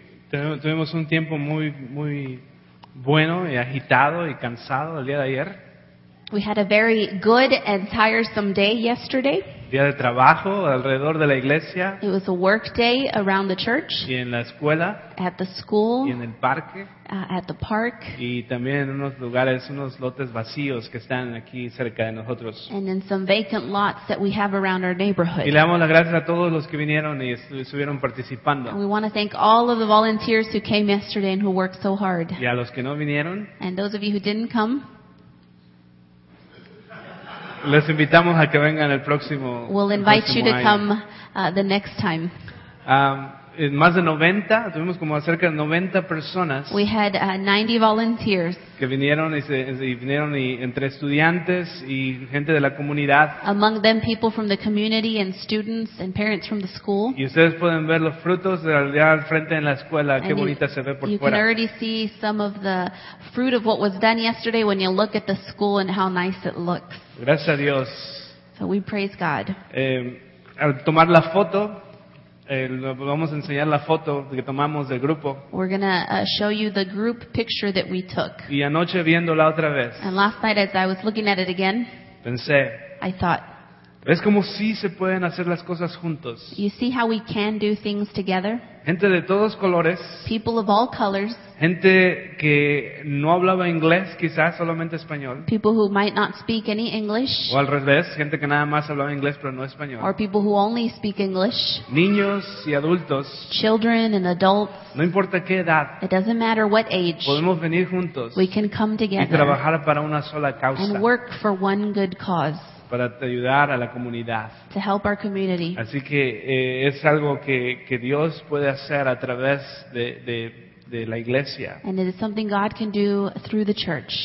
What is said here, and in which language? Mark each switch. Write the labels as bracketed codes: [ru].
[es] Tuvimos un tiempo muy muy bueno y agitado y cansado el día de ayer. [en] We had a very good and tiresome day yesterday. [es] Día de trabajo alrededor de la iglesia. [en] It was a work day around the church. [es] Y en la escuela. [en] At the school. [es] Y en el parque. [en] At the park. [es] Y también en unos lugares, unos lotes vacíos que están aquí cerca de nosotros. [en] And in some vacant lots that we have around our neighborhood. [es] Y le damos las gracias a todos los que vinieron y estuvieron participando. [en] And we want to thank all of the volunteers who came yesterday and who worked so hard. [es] Y a los que no vinieron. [en] And those of you who didn't come. [es] Les invitamos a que vengan el próximo año. [en] We'll invite you to come the next time. [es] Más de 90, tuvimos como cerca de 90 personas. [en] We had 90 volunteers. [es] Que vinieron y entre estudiantes y gente de la comunidad. [en] Among them people from the community and students and parents from the school. [es] Y ustedes pueden ver los frutos de allá al frente en la escuela, qué bonita se ve por fuera. [en] You can already see some of the fruit of what was done yesterday when you look at the school and how nice it looks. [es] Gracias a Dios. [en] So we praise God. [es] Al tomar la foto, vamos a enseñar la foto que tomamos del grupo. [en] We're gonna show you the group picture that we took. [es] Y anoche viéndola otra vez. [en] And last night as I was looking at it again. [es] Pensé. [en] I thought. [es] ¿Ves cómo sí se pueden hacer las cosas juntos? [en] You see how we can do things together? [es] Gente de todos colores. [en] People of all colors. [es] Gente que no hablaba inglés, quizás solamente español. [en] People who might not speak any English. [es] O al revés, gente que nada más hablaba inglés pero no español. [en] Or people who only speak English. [es] Niños y adultos. [en] Children and adults. [es] No importa qué edad. [en] It doesn't matter what age. [es] Podemos venir juntos. [en] We can come together. [es] Y trabajar para una sola causa. [en] And work for one good cause. [es] Para ayudar a la comunidad. [en] To help our community. [es] Así que es algo que Dios puede hacer a través de la iglesia. [en] And it is something God can do through the church.